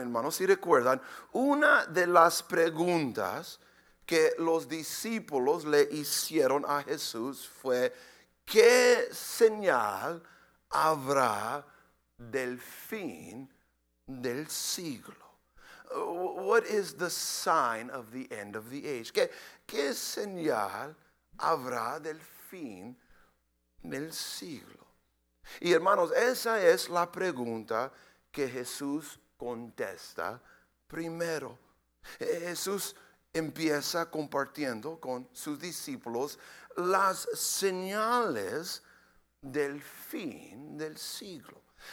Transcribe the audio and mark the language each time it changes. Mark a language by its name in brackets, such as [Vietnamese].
[Spanish] Si recuerdan, una de las preguntas que los discípulos le hicieron a Jesús fue, ¿qué señal habrá del fin del siglo? [English] What is the sign of the end of the age? [Spanish] ¿Qué señal habrá del fin del siglo? Y hermanos, esa es la pregunta que Jesús contesta primero. Jesús empieza compartiendo con sus discípulos las señales del fin del siglo.